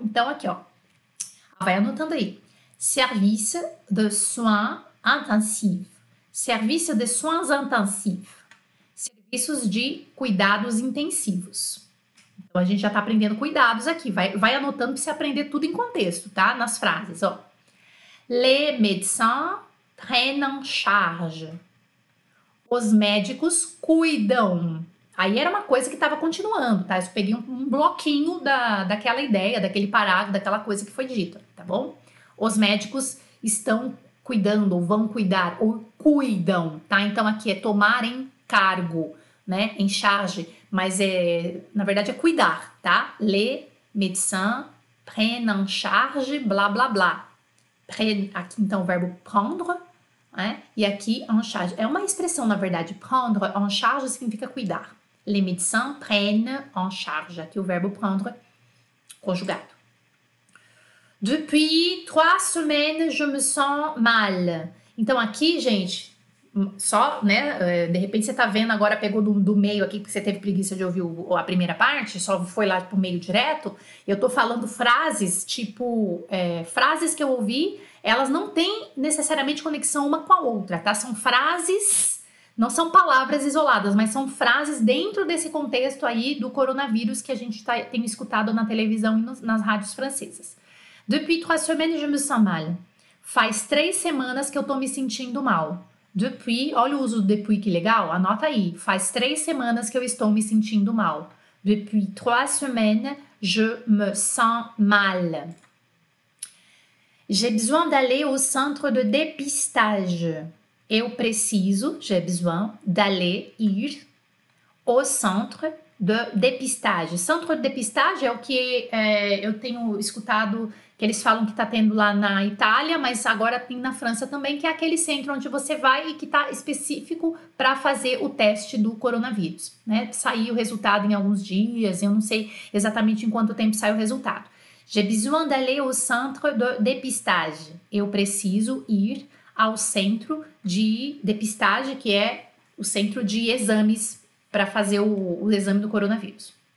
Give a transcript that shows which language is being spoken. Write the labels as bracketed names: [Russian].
[Portuguese] Então aqui, ó. Vai anotando aí. [French] Service de soins intensifs. Service de soins intensifs. [Portuguese] Serviços de cuidados intensivos. Então, a gente já está aprendendo cuidados aqui. Vai anotando para você aprender tudo em contexto, tá? Nas frases, ó. [French] Les médecins prennent en charge. [Portuguese] Os médicos cuidam. Aí era uma coisa que estava continuando, tá? Eu peguei um bloquinho daquela ideia, daquele parágrafo, daquela coisa que foi dita, tá bom? Os médicos estão cuidando, ou vão cuidar, ou cuidam, tá? Então, aqui é tomar em cargo, né? Em charge, mas é, na verdade, é cuidar, tá? [French] Les médecins prennent en charge, blá, blá, blá. [Portuguese] Aqui, então, o verbo prendre. É? E aqui, en charge. É uma expressão, na verdade. [French] Prendre en charge [Portuguese] significa cuidar. [French] Les médecins prennent en charge. [Portuguese] Aqui o verbo prendre, conjugado. [French] Depuis trois semaines, je me sens mal. [Portuguese] Então aqui, gente, só, né? De repente você tá vendo agora, pegou do meio aqui, porque você teve preguiça de ouvir a primeira parte, só foi lá pro meio direto. Eu tô falando frases, tipo, frases que eu ouvi. Elas não têm necessariamente conexão uma com a outra, tá? São frases, não são palavras isoladas, mas são frases dentro desse contexto aí do coronavírus que a gente tem escutado na televisão e nas rádios francesas. [French] Depuis trois semaines, je me sens mal. [Portuguese] Faz 3 semanas que eu tô me sentindo mal. Depuis, olha o uso do depuis, que legal, anota aí. Faz 3 semanas que eu estou me sentindo mal. [French] Depuis trois semaines, je me sens mal. J'ai besoin d'aller au centre de dépistage. [Portuguese] Eu preciso, [French] j'ai besoin d'aller ir au centre de dépistage. [Portuguese] Centre de dépistage é o que eu tenho escutado que eles falam que está tendo lá na Itália, mas agora tem na França também, que é aquele centro onde você vai e que está específico para fazer o teste do coronavírus, né? Sair o resultado em alguns dias, eu não sei exatamente em quanto tempo sai o resultado. [French] J'ai besoin d'aller au centre de dépistage. [Portuguese] Eu preciso ir ao centro de dépistage, que é o centro de exames para fazer o exame do coronavírus.